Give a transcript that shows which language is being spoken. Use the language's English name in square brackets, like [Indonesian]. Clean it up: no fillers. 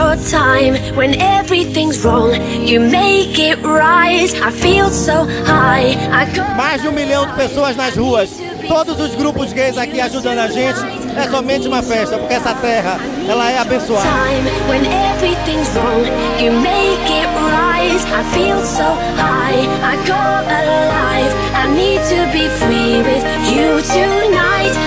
[English] Time when everything's wrong, you make it rise. I feel so high. [Portuguese] Mais de 1 milhão de pessoas nas ruas, todos os grupos gays aqui ajudando a gente. É somente uma festa, porque essa terra, ela é abençoada. [English] Time when everything's wrong, you make it rise. I feel so high. I go alive. I need to be free with you tonight.